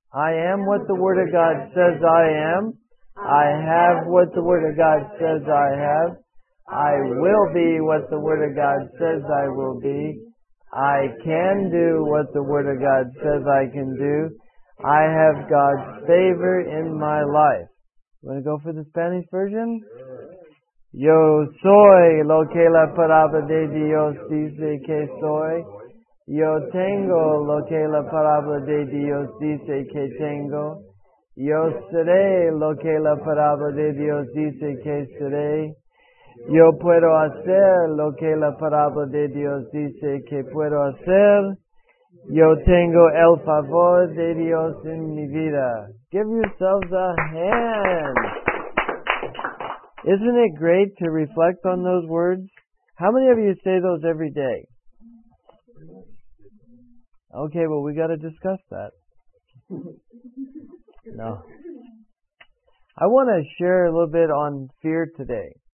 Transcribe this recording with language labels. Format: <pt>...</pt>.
<en>I am what the Word of God says I am. I have what the Word of God says I have. I will be what the Word of God says I will be. I can do what the Word of God says I can do. I have God's favor in my life. You want to go for the Spanish version?</en> <es>Yo soy lo que la palabra de Dios dice que soy. Yo tengo lo que la palabra de Dios dice que tengo. Yo seré lo que la palabra de Dios dice que seré. Yo puedo hacer lo que la palabra de Dios dice que puedo hacer. Yo tengo el favor de Dios en mi vida.</es> <en>Give yourselves a hand. Isn't it great to reflect on those words? How many of you say those every day? Okay, well, we got to discuss that. No. I want to share a little bit on fear today.</en>